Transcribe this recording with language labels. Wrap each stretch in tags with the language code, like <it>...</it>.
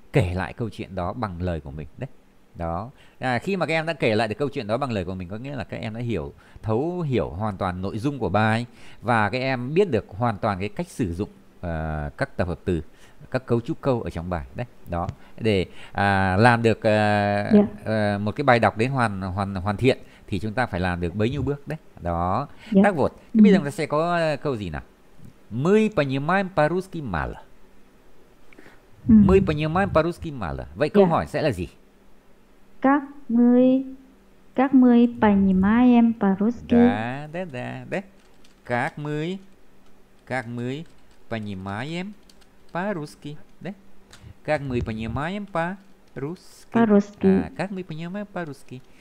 <vi>Kể lại câu chuyện đó bằng lời của mình đấy. Đó. À, khi mà các em đã kể lại được câu chuyện đó bằng lời của mình, có nghĩa là các em đã hiểu, thấu hiểu hoàn toàn nội dung của bài, và các em biết được hoàn toàn cái cách sử dụng các tập hợp từ, các cấu trúc câu ở trong bài đấy, đó, để làm được một cái bài đọc đến hoàn hoàn hoàn thiện thì chúng ta phải làm được bấy nhiêu bước đấy, đó. Tác vột. Thế bây giờ chúng ta sẽ có câu gì nào?</vi> <ru>Мы понимаем по-русски мало. Мы понимаем по-русски мало.</ru> <vi>Vậy câu hỏi sẽ là gì? Các người</vi> <ru>понимаем по-русски. Да, да, да, да. Как мы понимаем по-русски, да? Как мы понимаем по-русски? По-русски. А, как мы понимаем по-русски?</ru>